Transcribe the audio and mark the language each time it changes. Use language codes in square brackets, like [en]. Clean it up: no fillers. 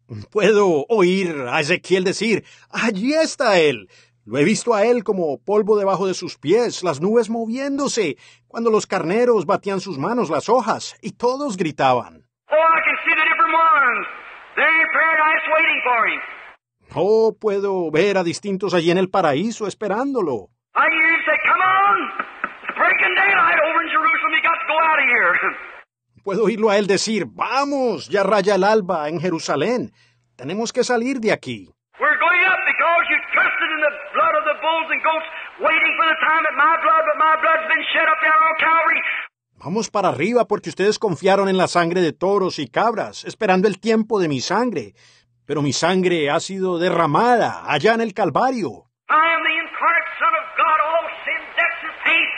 [es] Puedo oír a Ezequiel decir, allí está él. Lo he visto a él como polvo debajo de sus pies, las nubes moviéndose, cuando los carneros batían sus manos, las hojas, y todos gritaban. [en] Oh, I can see the different ones. They're in paradise waiting for him. [es] Oh, puedo ver a distintos allí en el paraíso esperándolo. [en] I hear him say, come on, it's breaking daylight over in Jerusalem, you got to go out of here. [es] Puedo oírlo a él decir, vamos, ya raya el alba en Jerusalén, tenemos que salir de aquí. [en] We're going up because you trusted in the blood of the bulls and goats, waiting for the time that my blood's been shed up there on Calvary. [es] Vamos para arriba porque ustedes confiaron en la sangre de toros y cabras, esperando el tiempo de mi sangre. Pero mi sangre ha sido derramada allá en el Calvario. [en] I am the incarnate Son of God, all sin, death, and pain.